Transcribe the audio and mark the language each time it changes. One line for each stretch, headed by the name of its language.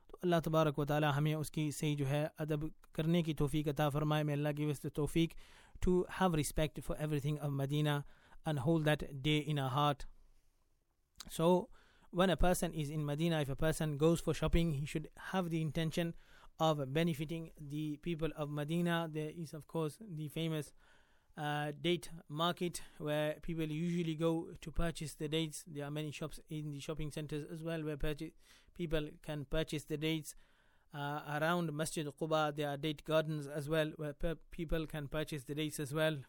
Urdu: اللہ تبارک و تعالی ہمیں اس کی صحیح جو ہے ادب کرنے کی توفیق عطا فرمائے.
English: میں اللہ کی وسط توفیق to have respect for everything of Medina and hold that dear in our heart. So when a person is in Medina, if a person goes for shopping, he should have the intention of benefiting the people of Medina. There is of course the famous date market where people usually go to purchase the dates. There are many shops in the shopping centers as well where people can purchase the dates. Around Masjid Quba, there are date gardens as well where people can purchase the dates as well.